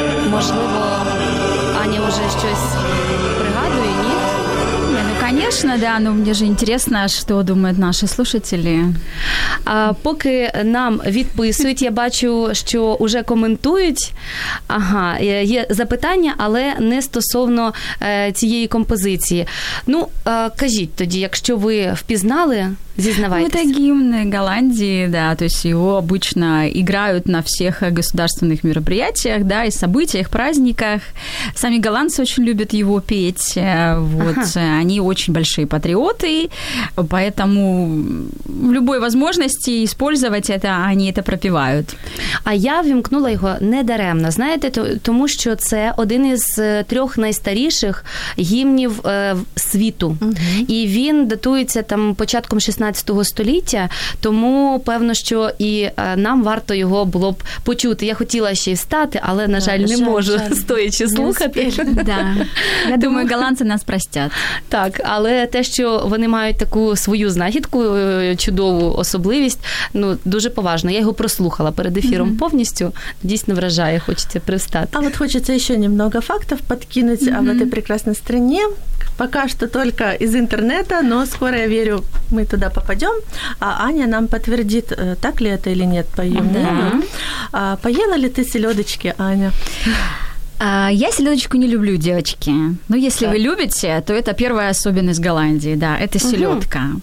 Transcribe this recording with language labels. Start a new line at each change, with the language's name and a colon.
Russian: Можливо, Аня уже что-то пригадывает, нет? Ну, конечно. конечно, да, но мне же интересно, что думают наши слушатели.
Ukrainian: А, поки нам відписують, я бачу, що уже коментують. Ага, є запитання, але не стосовно цієї композиції. Ну, кажіть тоді, якщо ви впізнали, зізнавайтесь.
Russian: Это гимн Голландии, да, то есть его обычно играют на всех государственных мероприятиях, да, и событиях, праздниках. Сами голландцы очень любят его петь, вот, ага. Они очень большие патриоты, поэтому в любой возможности использовать это, они это пропевают.
Ukrainian: А я вимкнула его недаремно, знаете, тому що це один із трьох найстаріших гімнів світу. Угу. І він датується там початком 16 століття, тому певно, що і нам варто його було б почути. Я хотіла ще й встати, але, на жаль, не можу стоячи слухати. Да. Я думаю, голландці нас простять. Так, але те, що вони мають таку свою знахідку, чудову особливість, ну, дуже поважно. Я його прослухала перед ефіром повністю. Дійсно вражає, хочеться привстати. А от хочеться ще немного фактів підкинути об этой прекрасній країні.
Russian: Пока что только из интернета, но скоро, я верю, мы туда попадем. А Аня нам подтвердит, так ли это или нет, по ее мнению. А поела ли ты селедочки, Аня? Я селедочку не люблю, девочки. Но если вы любите, то это первая особенность Голландии, да, это селедка. Угу.